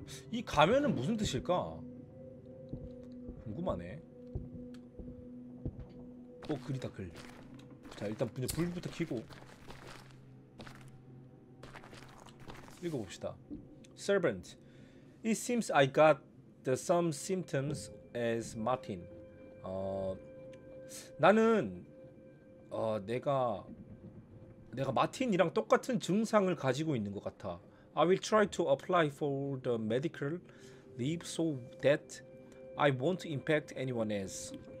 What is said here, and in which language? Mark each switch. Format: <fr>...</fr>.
<ko>이 가면은 무슨 뜻일까? 궁금하네. 어 글이다 글. 자 일단 그냥 불부터 켜고 읽어봅시다.</ko> <en>Servant, it seems I got the some symptoms as Martin.</en> <ko>나는 내가 마틴이랑 똑같은 증상을 가지고 있는 것 같아.</ko> <en>I will try to apply for the medical leave so that I won't impact anyone else.</en>